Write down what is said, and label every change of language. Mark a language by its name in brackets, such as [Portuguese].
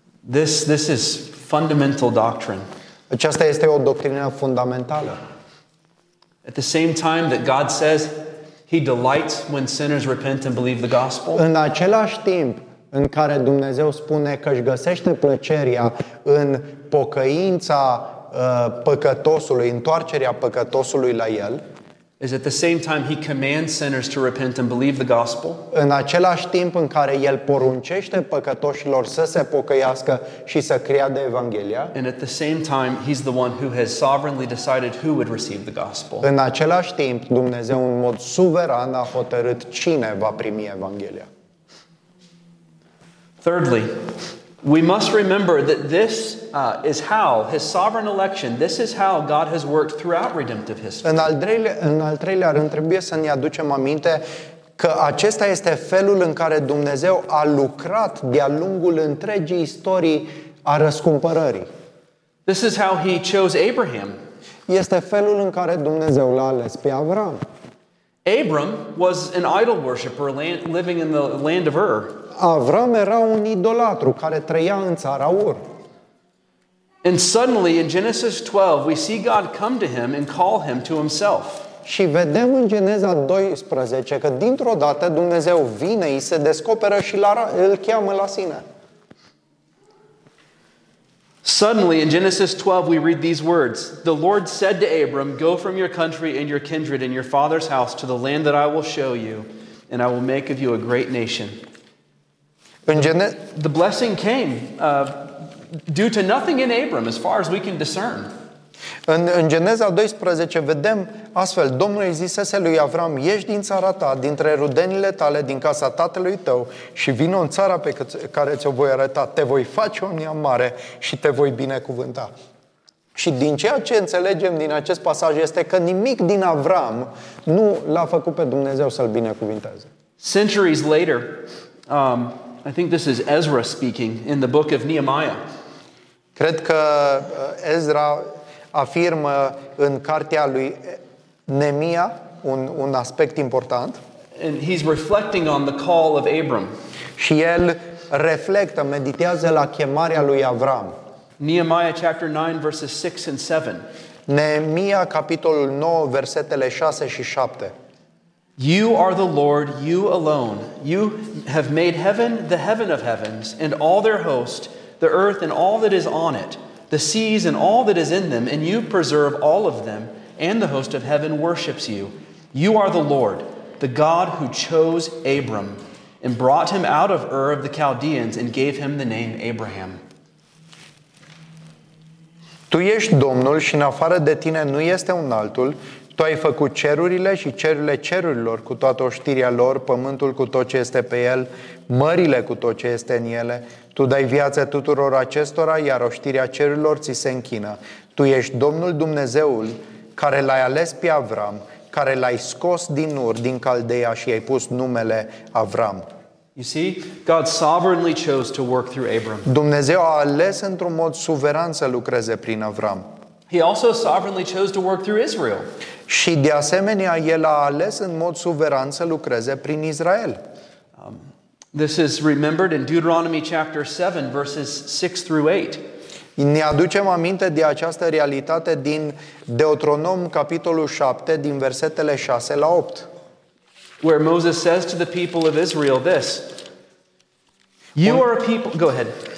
[English] This is fundamental doctrine. [Romanian] Aceasta este o doctrină fundamentală. [English] At the same time that God says He delights when sinners repent and believe the gospel. [Romanian] În același timp în care Dumnezeu spune că își găsește plăcerea în pocăința păcătosului, întoarcerea păcătosului la El. [English] Is at the same time He commands sinners to repent and believe the gospel. [Romanian] În același timp în care El poruncește păcătoșilor să se pocăiască și să creadă Evanghelia. [English] And at the same time He's the one who has sovereignly decided who would receive the gospel. [Romanian] În același timp Dumnezeu în mod suveran a hotărât cine va primi Evanghelia. [English] Thirdly, we must remember that this is how His sovereign election, this is how God has worked throughout redemptive history. [Romanian] În al treilea rând, trebuie să ne aducem aminte că acesta este felul în care Dumnezeu a lucrat de-a lungul întregii istorii a răscumpărării. [English] This is how He chose Abraham. [Romanian] Este felul în care Dumnezeu l-a ales pe Avram. [English] Abram was an idol worshipper living in the land of Ur. [Romanian] Avram era un idolatru care trăia în țara Ur. [English] And suddenly in Genesis 12 we see God come to him and call him to himself. [Romanian] Și vedem în Geneza 12 că dintr-o dată Dumnezeu vine, îi se descoperă și îl cheamă la sine. [English] Suddenly in Genesis 12 we read these words. The Lord said to Abram, go from your country and your kindred and your father's house to the land that I will show you and I will make of you a great nation. The blessing came due to nothing in Abram, as far as we can discern. [Romanian] În Geneza 12 vedem astfel, Domnul îi zisese lui Avram, ieși din țara ta, dintre rudenile tale, din casa tatălui tău și vină în țara pe care ți-o voi arăta, te voi face o neam mare și te voi binecuvânta. Și din ceea ce înțelegem din acest pasaj este că nimic din Avram nu l-a făcut pe Dumnezeu să-l binecuvinteze. [English] Centuries later, I think this is Ezra speaking in the book of Nehemiah. [Romanian] Cred că Ezra afirmă în cartea lui Nemia un aspect important. [English] And he's reflecting on the call of Abram. [Romanian] Și el reflectă, meditează la chemarea lui Avram. [English] Nehemiah chapter 9 verses 6 and 7. [Romanian] Nehemia capitolul 9 versetele 6 și 7. [English] You are the Lord, you alone. You have made heaven the heaven of heavens and all their host, the earth and all that is on it, the seas and all that is in them, and you preserve all of them, and the host of heaven worships you. You are the Lord. the God who chose Abram and brought him out of Ur of the Chaldeans and gave him the name Abraham. [Romanian] Tu ești Domnul și în afară de tine nu este un altul. Tu ai făcut cerurile și cerurile cerurilor cu toată oștirea lor, pământul cu tot ce este pe el, mările cu tot ce este în ele. Tu dai viață tuturor acestora, iar oștirea cerurilor ți se închină. Tu ești Domnul Dumnezeul care l-ai ales pe Avram, care l-ai scos din Ur, din Caldeea și i-ai pus numele Avram. [English] You see, God sovereignly chose to work through Abram. [Romanian] Dumnezeu a ales într-un mod suveran să lucreze prin Avram. [English] He also sovereignly chose to work through Israel. [Romanian] Și de asemenea, el a ales în mod suveran să lucreze prin Israel. [English] This is remembered in Deuteronomy chapter 7 verses 6 through 8. [Romanian] Ne aducem aminte de această realitate din Deuteronom capitolul 7 din versetele 6 la 8. [English] Where Moses says to the people of Israel this. You are a people, go ahead.